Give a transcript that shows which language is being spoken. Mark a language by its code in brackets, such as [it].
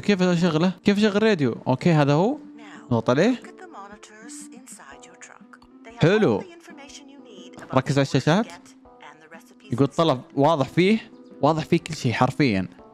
[ar] كيف أشغله؟ كيف أشغل الراديو؟ أوكي هذا هو. [en] Now, look at the monitors inside your truck. They have all the information you need about what you get and the recipes. [ar] يقول طلب واضح فيه واضح فيه كل شيء حرفيا.